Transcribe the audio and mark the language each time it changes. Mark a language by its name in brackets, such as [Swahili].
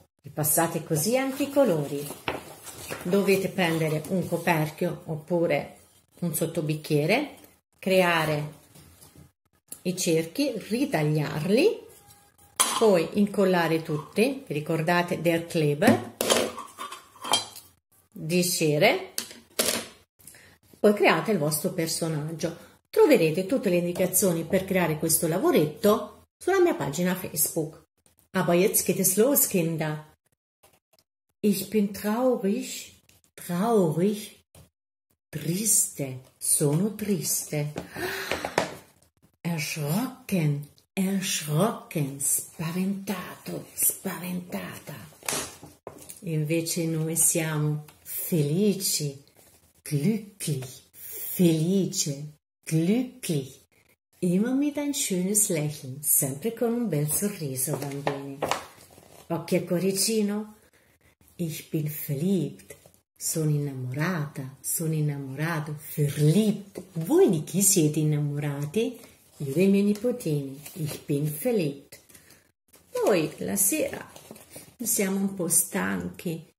[Italian] Ripassate così anche i colori. Dovete prendere un coperchio oppure un sottobicchiere, creare i cerchi, ritagliarli, poi incollare tutti. Vi ricordate del Kleber? Di cera. Poi create il vostro personaggio. Troverete tutte le indicazioni per creare questo lavoretto sulla mia pagina Facebook. [German] Aber jetzt geht es los, Kinder. Ich bin traurig, traurig, [Italian] triste, sono triste. [German] Erschrocken, erschrocken, [Italian] spaventato, spaventata. Invece noi siamo felici. [German] Glücklich, felice, glücklich. Immer mit ein schönes Lächeln, [Italian] sempre con un bel sorriso, bambini. Occhio e cuoricino. [German] Ich bin verliebt, [Italian] sono innamorata, sono innamorato, [German] verliebt. [Italian] Voi di chi siete innamorati? Io dei miei nipotini. [German] Ich bin verliebt. [Italian] Poi, la sera, siamo un po' stanchi.